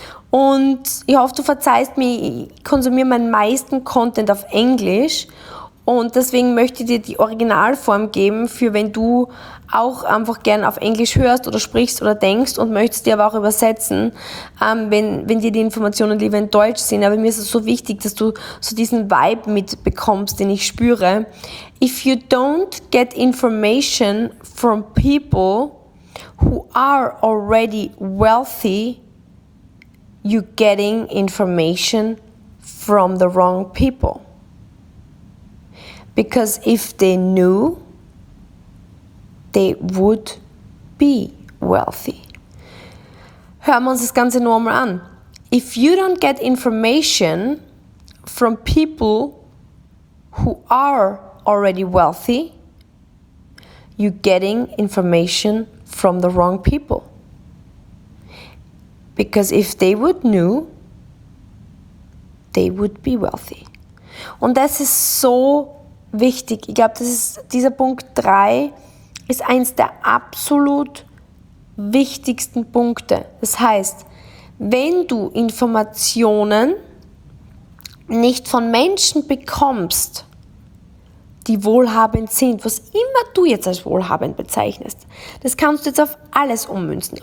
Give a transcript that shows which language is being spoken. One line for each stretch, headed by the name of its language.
German: Und ich hoffe, du verzeihst mir, ich konsumiere meinen meisten Content auf Englisch und deswegen möchte ich dir die Originalform geben, für wenn du auch einfach gern auf Englisch hörst oder sprichst oder denkst und möchtest dir aber auch übersetzen, wenn dir die Informationen lieber in Deutsch sind. Aber mir ist es so wichtig, dass du so diesen Vibe mitbekommst, den ich spüre.
English: If you don't get information from people who are already wealthy, you're getting information from the wrong people. Because if they knew, they would be wealthy.
German: Hören wir uns das Ganze nochmal an.
English: If you don't get information from people who are already wealthy, you're getting information from the wrong people. Because if they would knew, they would be wealthy.
German: Und das ist so wichtig. Ich glaube, das ist dieser Punkt 3 ist eins der absolut wichtigsten Punkte. Das heißt, wenn du Informationen nicht von Menschen bekommst, die wohlhabend sind, was immer du jetzt als wohlhabend bezeichnest, das kannst du jetzt auf alles ummünzen.